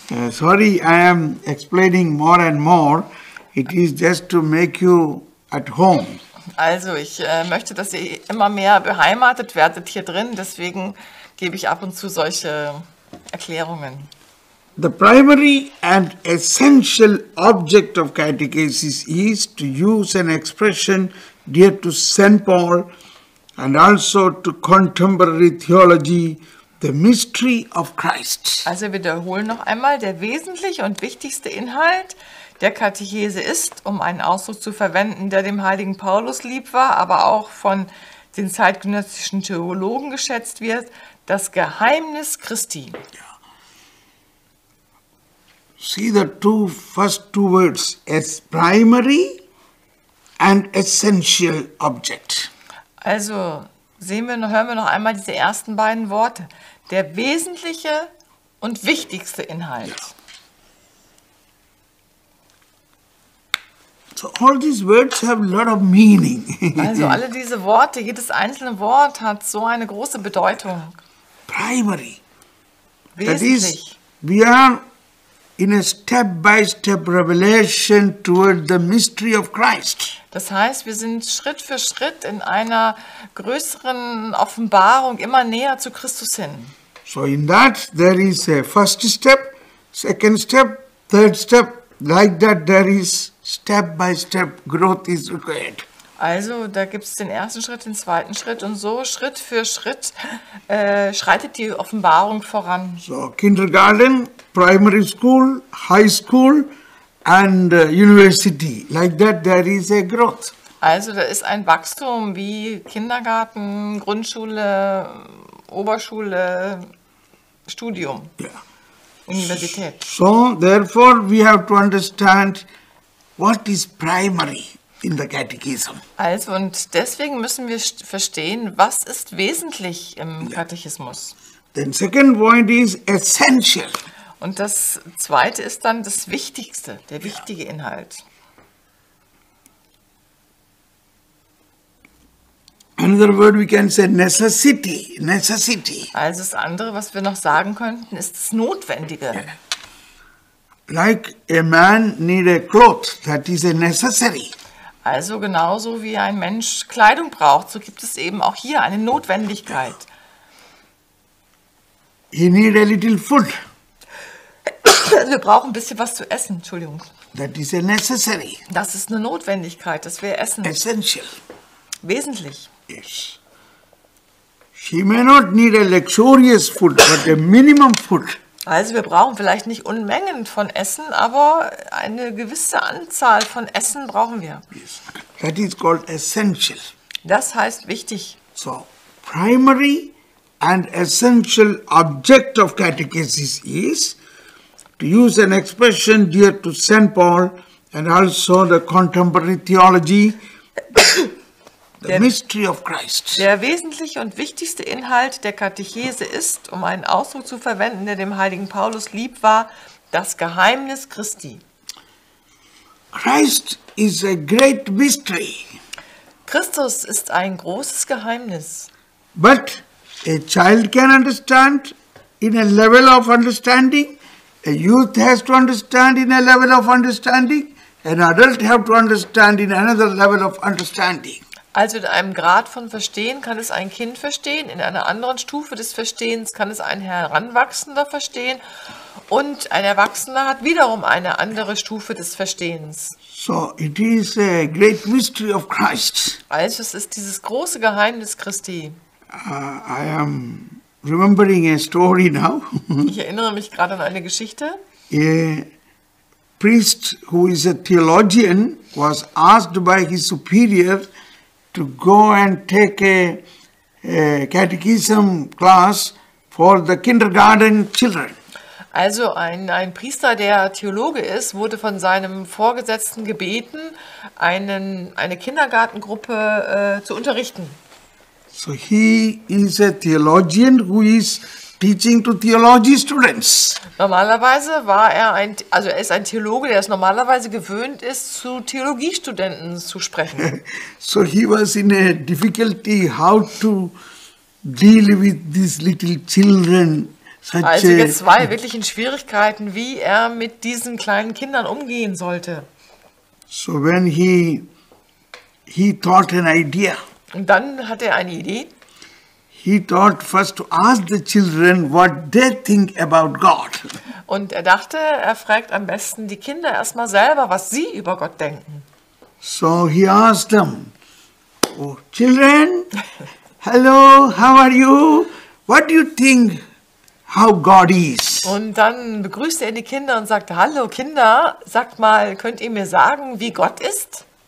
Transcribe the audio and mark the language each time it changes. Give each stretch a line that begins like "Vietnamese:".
English: Sorry, I am explaining more and more. It is just to make you at home.
German: Also, ich möchte, dass ihr immer mehr beheimatet werdet hier drin. Deswegen gebe ich ab und zu solche Erklärungen.
English: The primary and essential object of catechesis is to use an expression dear to St. Paul and also to contemporary theology, the mystery of Christ.
German: Also wiederholen noch einmal, der wesentliche und wichtigste Inhalt der Katechese ist, um einen Ausdruck zu verwenden, der dem heiligen Paulus lieb war, aber auch von den zeitgenössischen Theologen geschätzt wird, das Geheimnis Christi.
English: Yeah. See the two first two words as primary and essential object.
German: Also hören wir noch einmal diese ersten beiden Worte. Der wesentliche und wichtigste Inhalt.
English: Yeah. So all these words have a lot of meaning.
German: Also alle diese Worte, jedes einzelne Wort hat so eine große Bedeutung.
English: Primary.
German: Wesentlich.
English: That is, we are in a step-by-step revelation toward the mystery of Christ.
German: Das heißt, wir sind Schritt für Schritt in einer größeren Offenbarung immer näher zu Christus hin.
English: So in that there is a first step, second step, third step. Like that there is step-by-step growth is required.
German: Also da gibt es den ersten Schritt, den zweiten Schritt und so Schritt für Schritt schreitet die Offenbarung voran.
English: So Kindergarten, Primary School, High School and University. Like that there is a growth.
German: Also da ist ein Wachstum wie Kindergarten, Grundschule, Oberschule, Studium,
English: yeah.
German: Universität.
English: So therefore we have to understand what is primary. In the Catechism.
German: Also und deswegen müssen wir verstehen, was ist wesentlich im Katechismus.
English: The second point is essential.
German: Und das zweite ist dann das Wichtigste, der wichtige Inhalt.
English: Another word we can say necessity. Necessity.
German: Also das andere, was wir noch sagen könnten, ist das Notwendige.
English: Yeah. Like a man need a cloth, that is a necessary.
German: Also genauso wie ein Mensch Kleidung braucht, so gibt es eben auch hier eine Notwendigkeit.
English: You need a little food.
German: Wir brauchen ein bisschen was zu essen, Entschuldigung.
English: That is a necessary.
German: Das ist eine Notwendigkeit, dass wir essen.
English: Essential.
German: Wesentlich.
English: Yes. She may not need a luxurious food, but a minimum food.
German: Also wir brauchen vielleicht nicht Unmengen von Essen, aber eine gewisse Anzahl von Essen brauchen wir.
English: Yes. That is called essential.
German: Das heißt wichtig.
English: So, primary and essential object of catechesis is to use an expression dear to St. Paul and also the contemporary theology, the mystery of Christ.
German: Der wesentliche und wichtigste Inhalt der Katechese ist, um einen Ausdruck zu verwenden, der dem heiligen Paulus lieb war, das Geheimnis Christi.
English: Christ is a great mystery.
German: Christus ist ein großes Geheimnis.
English: But A child can understand in a level of understanding. A youth has to understand in a level of understanding. An adult has to understand in another level of understanding.
German: Also in einem Grad von Verstehen kann es ein Kind verstehen, in einer anderen Stufe des Verstehens kann es ein Heranwachsender verstehen und ein Erwachsener hat wiederum eine andere Stufe des Verstehens.
English: So it is a great mystery of Christ.
German: Also es ist dieses große Geheimnis Christi.
English: I am remembering a story now.
German: Ich erinnere mich gerade an eine Geschichte.
English: A priest who is a theologian was asked by his superior to go and take a catechism class for the kindergarten children.
German: Also ein Priester, der Theologe ist, wurde von seinem Vorgesetzten gebeten, eine Kindergartengruppe zu unterrichten.
English: So he is a theologian who is teaching to theology students.
German: Normalerweise war er ein, also er ist ein Theologe, der es normalerweise gewöhnt ist, zu Theologiestudenten zu sprechen.
English: So he was in a difficulty how to deal with these little children.
German: Also jetzt war er wirklich in Schwierigkeiten, wie er mit diesen kleinen Kindern umgehen sollte.
English: So when he thought an idea.
German: Und dann hatte er eine Idee.
English: He thought first to ask the children what they think about God.
German: Und er dachte, er fragt am besten die Kinder erstmal selber, was sie über Gott denken.
English: So he asked them, oh, children, hello, how are you? What do you think how God is?
German: Und dann begrüßte er die Kinder und sagte, hallo Kinder, sagt mal, könnt ihr mir sagen, wie Gott ist?